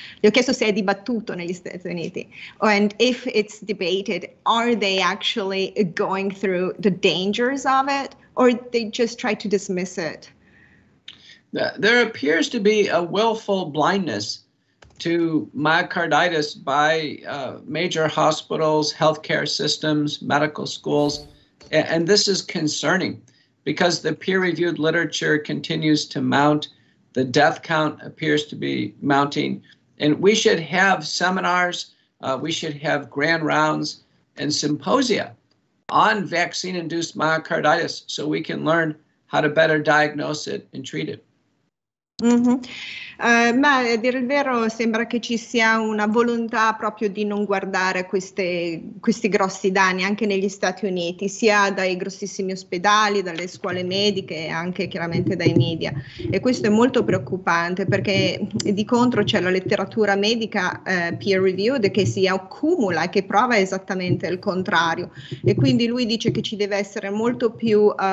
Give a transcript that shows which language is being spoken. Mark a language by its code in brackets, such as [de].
[it] Gli ho chiesto se è dibattuto negli Stati Uniti. [en] And if it's debated, are they actually going through the dangers of it, or they just try to dismiss it? There appears to be a willful blindness to myocarditis by major hospitals, healthcare systems, medical schools. And this is concerning because the peer-reviewed literature continues to mount. The death count appears to be mounting. And we should have seminars, we should have grand rounds and symposia on vaccine-induced myocarditis so we can learn how to better diagnose it and treat it. [it] Ma a dire il vero sembra che ci sia una volontà proprio di non guardare questi grossi danni anche negli Stati Uniti, sia dai grossissimi ospedali, dalle scuole mediche e anche chiaramente dai media, e questo è molto preoccupante perché di contro c'è la letteratura medica peer reviewed che si accumula e che prova esattamente il contrario, e quindi lui dice che ci deve essere molto più